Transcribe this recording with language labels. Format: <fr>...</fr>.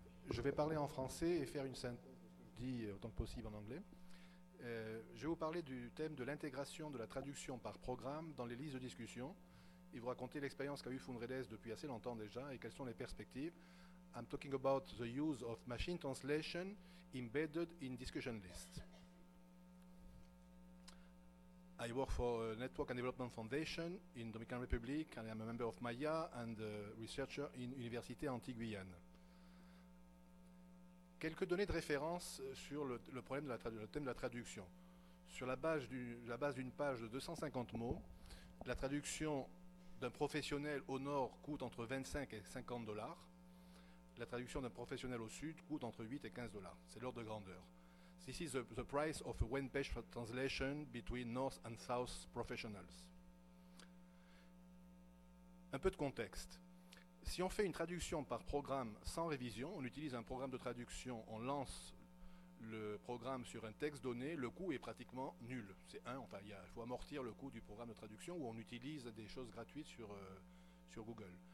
<fr>Je vais parler en français et faire une synthèse autant que possible en anglais. Je vais vous parler du thème de l'intégration de la traduction par programme dans les listes de discussion et vous raconter l'expérience qu'a eu Fundredes depuis assez longtemps déjà et quelles sont les perspectives.</fr> <en>I'm talking about the use of machine translation embedded in discussion lists. I work for Network and Development Foundation in Dominican Republic and I'm a member of MAIA and a researcher in Université Antiguyane.</en> <fr>Quelques données de référence sur le problème de le thème de la traduction. Sur la base d'une page de 250 mots, la traduction d'un professionnel au nord coûte entre 25 et 50 dollars. La traduction d'un professionnel au sud coûte entre 8 et 15 dollars. C'est l'ordre de grandeur.</fr> <en>This is the price of a one-page translation between north and south professionals.</en> <fr>Un peu de contexte. Si on fait une traduction par programme sans révision, on utilise un programme de traduction, on lance le programme sur un texte donné, le coût est pratiquement nul. C'est un, enfin, il faut amortir le coût du programme de traduction ou on utilise des choses gratuites sur Google.</fr>